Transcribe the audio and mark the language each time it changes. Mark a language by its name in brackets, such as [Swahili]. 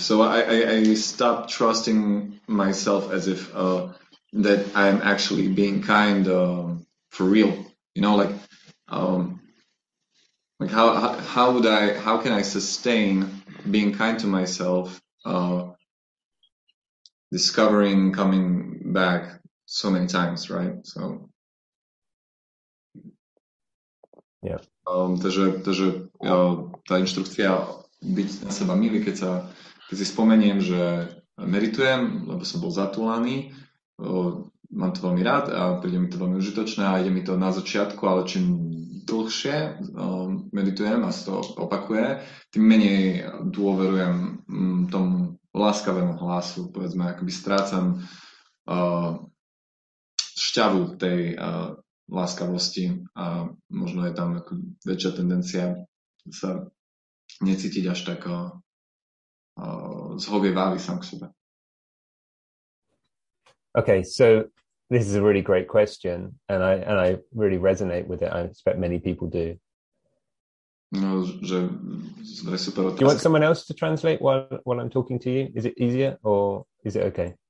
[English] So I stop trusting myself as if that I'm actually being kind for real. You know, like how can I sustain being kind to myself? Discovering coming back so many times, right? So. [Slovak] Takže tá inštrukcia byť na seba milý, keď si spomeniem, že meritujem, lebo som bol zatúlaný, mám to veľmi rád a príde mi to veľmi užitočné a ide mi to na začiatku, ale čím dlhšie meritujem a sa to opakuje, tým menej dôverujem tomu láskavému hlasu, povedzme, akoby strácam šťavu tej láskavosti a možno je tam ako väčšia tendencia sa necítiť až tak zhovievavý sám k sebe. [English] Okay, so this is a really great question and I really resonate with it. I expect many people do. [Slovak] No, že je super otázka. [English] Do you want someone else to translate while I'm talking to you? Is it easier or is it okay?